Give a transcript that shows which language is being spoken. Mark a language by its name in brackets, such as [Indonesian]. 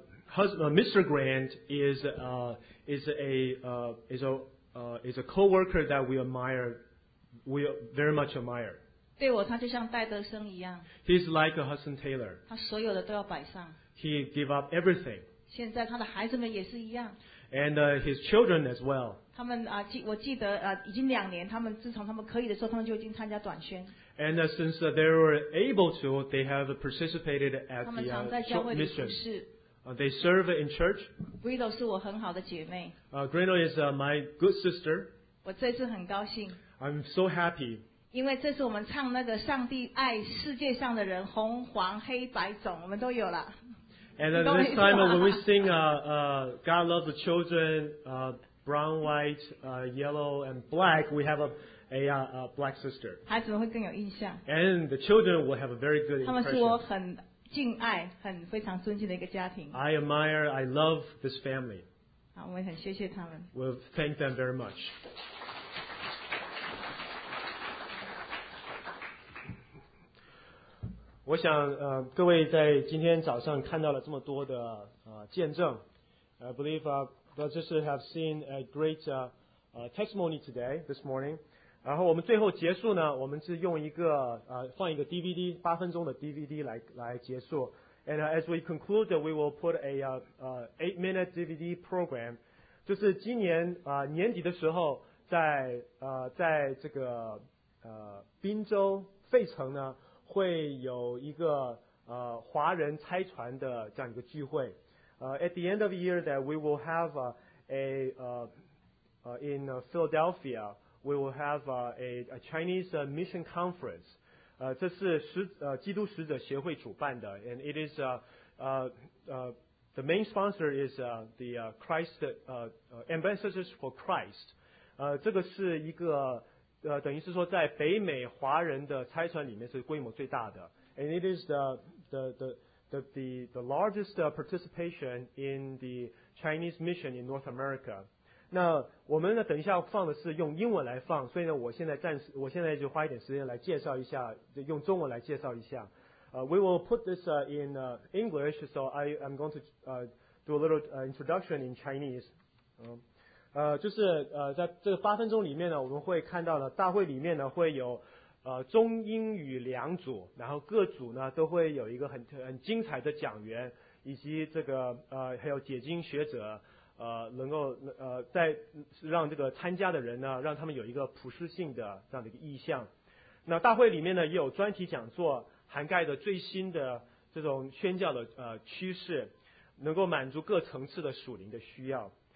[English] Mr. Grant is a coworker that we very much admire. [Chinese] 对我，他就像戴德生一样。 [English] He's like a Hudson Taylor. [Chinese] 他所有的都要摆上。 [English] He gave up everything. [Chinese] 现在他的孩子们也是一样。 [English] And his children as well. [Chinese] 他们我记得已经两年，他们自从他们可以的时候，他们就已经参加短宣。 [English] And since they were able to, they have participated at the mission. They serve in church. [Chinese] Grito 是我很好的姐妹。 [English] Grito is my good sister. [Chinese] 我这次很高兴。 [English] I'm so happy. [Chinese] 因为这是我们唱那个上帝爱世界上的人，红黄黑白种，我们都有了。 [English] And this time when we sing God loves the children, brown, white, yellow, and black, we have a black sister. [Chinese] 孩子们会更有印象。 [English] And the children will have a very good impression. [Chinese] 他们是我很敬爱、很非常尊敬的一个家庭。 [English] I admire, I love this family. [Chinese] 好，我们很谢谢他们。 [English] We'll thank them very much. [Chinese] 我想各位在今天早上看到了这么多的见证。 [English] I believe we just have seen a great testimony today, this morning. [Chinese] 然后我们最后结束呢，我们是用一个放一个 DVD, 八分钟的 DVD 来结束。 [English] And as we conclude, we will put a 8-minute DVD program. [Chinese] 就是今年年底的时候在这个宾州费城呢会有一个华人拆船的这样一个聚会。 [English] At the end of the year that we will have in Philadelphia, we will have a Chinese mission conference. [Chinese] 这是基督使者协会主办的 [English] ,and it is the main sponsor is the Christ Ambassadors for Christ. [Chinese] 这个是一个等于是说在北美华人的拆船里面是规模最大的。 [English] And it is the largest participation in the Chinese mission in North America. [Chinese] 那我们呢等一下放的是用英文来放，所以呢我现在就花一点时间来介绍一下，用中文来介绍一下。 [English] We will put this in English, so I'm going to do a little introduction in Chinese. [Chinese] 就是在这个八分钟里面呢，我们会看到呢，大会里面呢会有中英语两组，然后各组呢都会有一个很精彩的讲员，以及这个还有解经学者，能够在让这个参加的人呢，让他们有一个普世性的这样的一个意向。那大会里面呢也有专题讲座，涵盖的最新的这种宣教的趋势，能够满足各层次的属灵的需要。